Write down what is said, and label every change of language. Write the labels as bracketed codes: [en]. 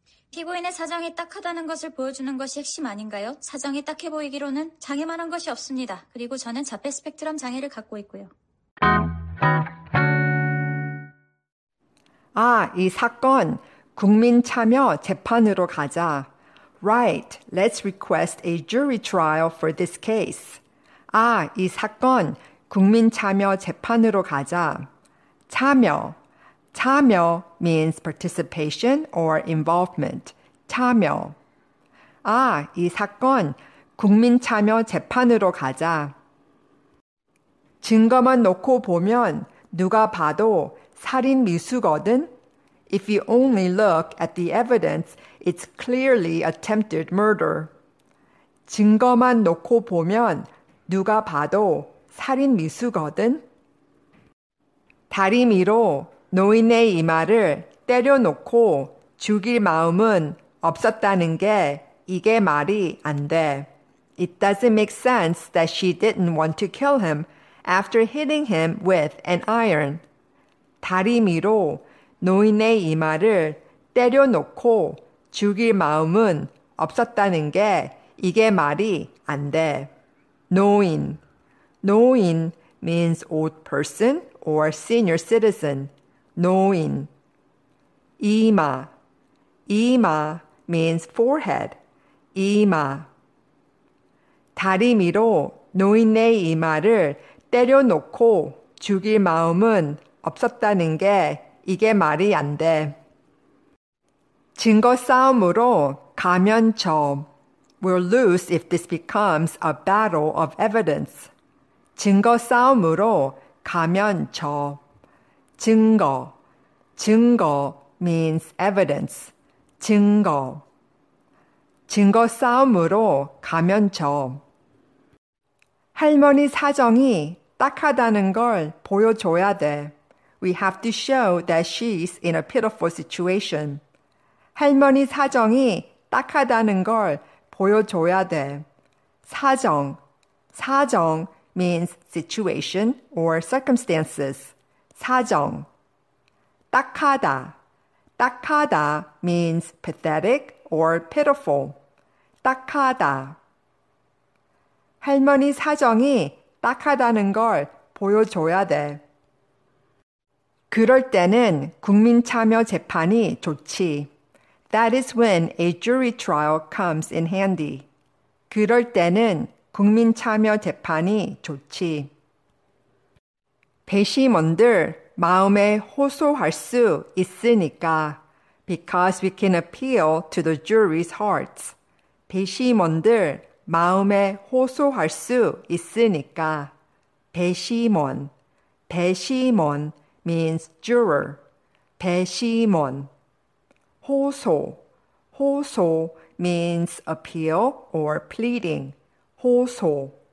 [ko] 피고인의 사정이 딱하다는 것을 보여주는 것이 핵심 아닌가요? 사정이 딱해 보이기로는 장애만한 것이 없습니다. 그리고 저는 자폐 스펙트럼 장애를 갖고 있고요. 아, 이 사건 국민 참여 재판으로 가자. [en] Right, let's request a jury trial for this case. [ko] 아, 이 사건 국민 참여 재판으로 가자. [en] 참여. 참여 means participation or involvement. 참여. [ko] 아, 이 사건 국민 참여 재판으로 가자. 증거만 놓고 보면 누가 봐도 살인 미수거든? [en] If you only look at the evidence, it's clearly attempted murder. [ko] 증거만 놓고 보면 누가 봐도 살인 미수거든? 다리미로 노인의 이마를 때려놓고 죽일 마음은 없었다는 게 이게 말이 안 돼. [en] It doesn't make sense that she didn't want to kill him after hitting him with an iron. [ko] 다리미로 노인의 이마를 때려놓고 죽일 마음은 없었다는 게 이게 말이 안 돼. [en] 노인. 노인 means old person or senior citizen. 노인. 이마. 이마 means forehead. 이마. [ko] 다리미로 노인의 이마를 때려놓고 죽일 마음은 없었다는 게 이게 말이 안 돼. 증거 싸움으로 가면 져. [en] We'll lose if this becomes a battle of evidence. [ko] 증거 싸움으로 가면 져. 증거. [en] 증거 means evidence. 증거. [ko] 증거 싸움으로 가면 져. 할머니 사정이 딱하다는 걸 보여줘야 돼. [en] We have to show that she's in a pitiful situation. [ko] 할머니 사정이 딱하다는 걸 보여줘야 돼. [en] 사정. 사정 means situation or circumstances. 사정. 딱하다. 딱하다 means pathetic or pitiful. 딱하다. [ko] 할머니 사정이 딱하다는 걸 보여줘야 돼. 그럴 때는 국민참여 재판이 좋지. [en] That is when a jury trial comes in handy. [ko] 그럴 때는 국민참여 재판이 좋지. 배심원들 마음에 호소할 수 있으니까. [en] Because we can appeal to the jury's hearts. [ko] 배심원들 마음에 호소할 수 있으니까. [en] 배심원. 배심원 means juror. 배심원. 호소. 호소 means appeal or pleading. 호소.